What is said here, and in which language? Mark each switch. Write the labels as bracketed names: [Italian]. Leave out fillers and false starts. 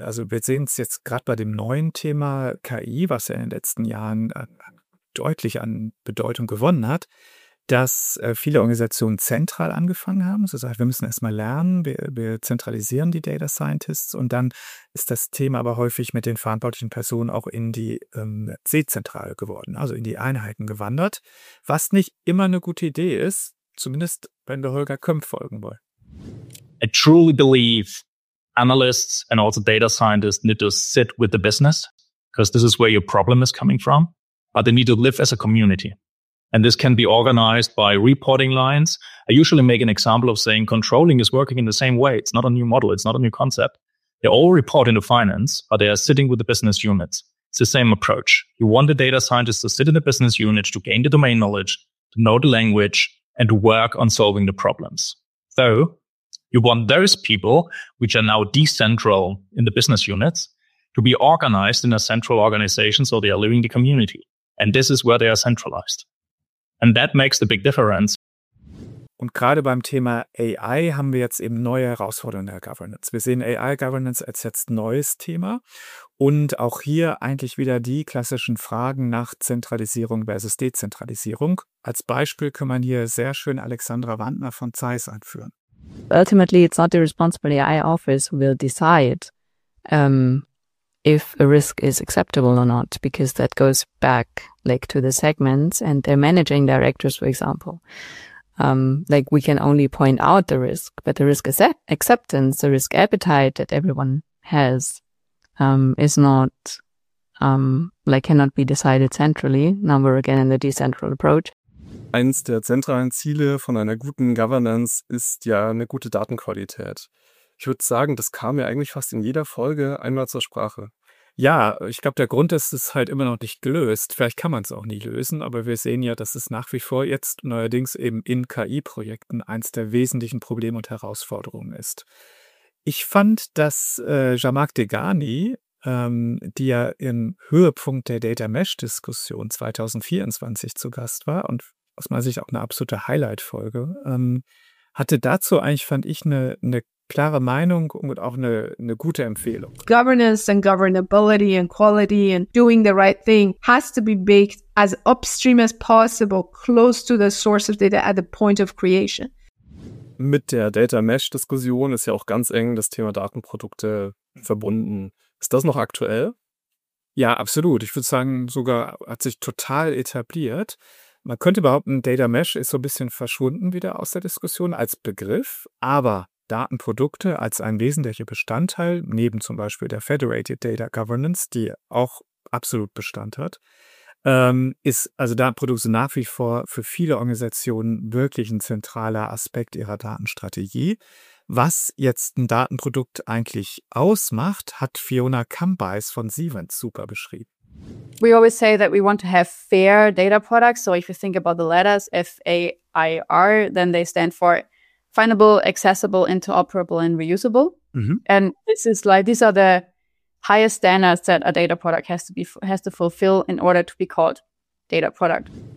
[German] Also wir sehen es jetzt gerade bei dem neuen Thema KI, was ja in den letzten Jahren deutlich an Bedeutung gewonnen hat, dass viele Organisationen zentral angefangen haben. So sagt, wir müssen erstmal lernen, wir zentralisieren die Data Scientists. Und dann ist das Thema aber häufig mit den verantwortlichen Personen auch in die C-Zentrale geworden, also in die Einheiten gewandert, was nicht immer eine gute Idee ist. Zumindest, wenn wir Holger Kömpf folgen wollen. [English] I truly believe analysts and also data scientists need to sit with the business, because this is where your problem is coming from. But they need to live as a community. And this can be organized by reporting lines. I usually make an example of saying controlling is working in the same way. It's not a new model. It's not a new concept. They all report into finance, but they are sitting with the business units. It's the same approach. You want the data scientists to sit in the business unit to gain the domain knowledge, to know the language, and work on solving the problems. So you want those people, which are now decentral in the business units, to be organized in a central organization so they are living the community. And this is where they are centralized. And that makes the big difference. [German] Und gerade beim Thema AI haben wir jetzt eben neue Herausforderungen in der Governance. Wir sehen AI-Governance als jetzt neues Thema. Und auch hier eigentlich wieder die klassischen Fragen nach Zentralisierung versus Dezentralisierung. Als Beispiel kann man hier sehr schön Alexandra Wandner von Zeiss anführen. [English] Ultimately, it's not the responsible AI office who will decide if a risk is acceptable or not, because that goes back like to the segments and their managing directors, for example. Like we can only point out the risk, but the risk acceptance, the risk appetite that everyone has is not like cannot be decided centrally. Now we're again in the decentral approach. [German] Eins der zentralen Ziele von einer guten Governance ist ja eine gute Datenqualität. Ich würde sagen, das kam ja eigentlich fast in jeder Folge einmal zur Sprache. Ja, ich glaube, der Grund ist, es halt immer noch nicht gelöst. Vielleicht kann man es auch nie lösen, aber wir sehen ja, dass es nach wie vor jetzt neuerdings eben in KI-Projekten eins der wesentlichen Probleme und Herausforderungen ist. Ich fand, dass Jean-Marc Degani, die ja im Höhepunkt der Data Mesh-Diskussion 2024 zu Gast war und aus meiner Sicht auch eine absolute Highlight-Folge, hatte dazu eigentlich, fand ich, eine klare Meinung und auch eine gute Empfehlung. [English] Governance and governability and quality and doing the right thing has to be baked as upstream as possible, close to the source of data at the point of creation. [German] Mit der Data Mesh Diskussion ist ja auch ganz eng das Thema Datenprodukte verbunden. Ist das noch aktuell? Ja, absolut. Ich würde sagen, sogar hat sich total etabliert. Man könnte behaupten, Data Mesh ist so ein bisschen verschwunden wieder aus der Diskussion als Begriff, aber Datenprodukte als ein wesentlicher Bestandteil, neben zum Beispiel der Federated Data Governance, die auch absolut Bestand hat, ist also Datenprodukte nach wie vor für viele Organisationen wirklich ein zentraler Aspekt ihrer Datenstrategie. Was jetzt ein Datenprodukt eigentlich ausmacht, hat Fiona Kambeis von Siemens super beschrieben. [English] We always say that we want to have fair data products. So if you think about the letters F-A-I-R, then they stand for findable, accessible, interoperable, and reusable. Mm-hmm. And this is like, these are the highest standards that a data product has to fulfill in order to be called data product.